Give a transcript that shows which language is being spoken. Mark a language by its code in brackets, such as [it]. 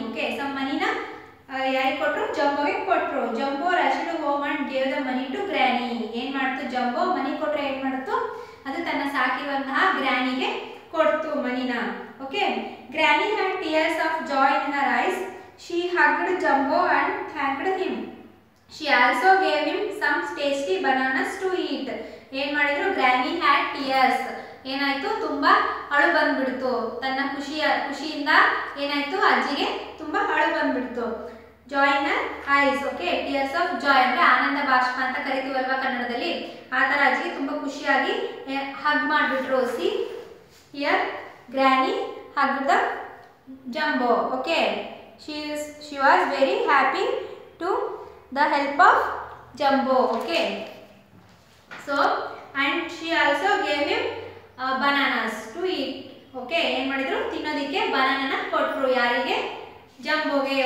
[kn] Okay, some ಮನಿನ ಯಾರಿಗೆ ಕೊಟ್ರು? ಜಂಬೋಗೆ ಕೊಟ್ರು. [en] Jumbo rushed home and gave the money to granny. [kn] ಏನ್ ಮಾಡ್ತು ಜಂಬೋ? ಮನಿ ಕೊಟ್ರೆ ಏನ್ ಮಾಡ್ತು? ಅದು ತನ್ನ ಸಾಕಿರುವಂತಹ ಗ್ರ್ಯಾನಿಗೆ ಕೊಡ್ತು ಮನಿನ. [en] Okay, granny had tears of joy in her eyes. She hugged Jumbo and thanked him. She also gave him some tasty bananas to eat. [kn] ಏನ್ ಮಾಡಿದ್ರು? [en] Granny had tears. [kn] ಏನಾಯ್ತು? ತುಂಬಾ ಅಳು ಬಂದ್ಬಿಡ್ತು. ತನ್ನ ಖುಷಿಯಿಂದ ಏನಾಯ್ತು? ಅಜ್ಜಿಗೆ ತುಂಬಾ ಅಳು ಬಂದ್ಬಿಡ್ತು. [en] Joy in her eyes. [kn] Okay, [en] tears of joy [kn] ಅಂದ್ರೆ ಆನಂದ ಬಾಷ್ಪ ಅಂತ ಕರಿತೀವಲ್ವಾ ಕನ್ನಡದಲ್ಲಿ. ಆತರ ಅಜ್ಜಿಗೆ ತುಂಬಾ ಖುಷಿಯಾಗಿ ಹಗ್ ಮಾಡ್ಬಿಟ್ರು. [en] See here, granny hugged the Jumbo. Okay, she was very happy to the help of Jumbo. Okay, so and she also gave him bananas to eat. [kn] Okay, en madidru? Tinodike banana na kotru. Yarige? Jumbo ge.